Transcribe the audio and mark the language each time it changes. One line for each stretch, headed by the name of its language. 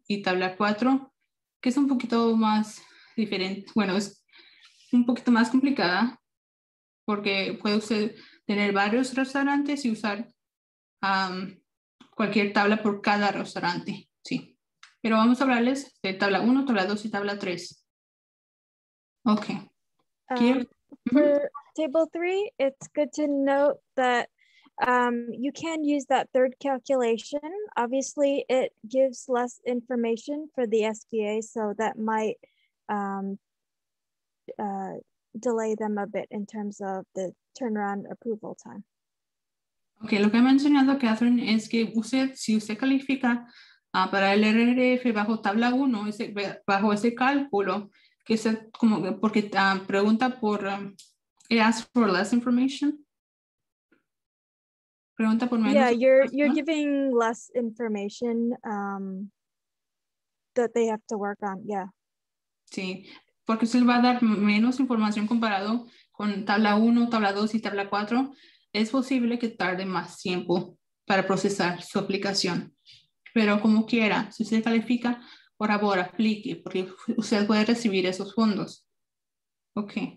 Spanish: Y tabla 4, que es un poquito más diferente, bueno, es un poquito más complicada, porque puede usted tener varios restaurantes y usar cualquier tabla por cada restaurante, sí. Pero vamos a hablarles de tabla 1, tabla 2 y tabla 3. Ok.
English: For table 3, it's good to note that you can use that third calculation. Obviously, it gives less information for the SBA, so that might delay them a bit in terms of the turnaround approval time.
Spanish: Okay, lo que ha mencionado Catherine es que usted, si usted califica para el RRF bajo tabla 1, bajo ese cálculo, que es como porque pregunta por,
English: it asks for less information.
Spanish: Pregunta por menos.
English: Yeah, you're giving less information that they have to work on, yeah.
Spanish: Sí, porque usted va a dar menos información comparado con tabla 1, tabla 2 y tabla 4. Es posible que tarde más tiempo para procesar su aplicación. Pero como quiera, si usted califica, por favor, aplique, porque usted puede recibir esos fondos. Ok.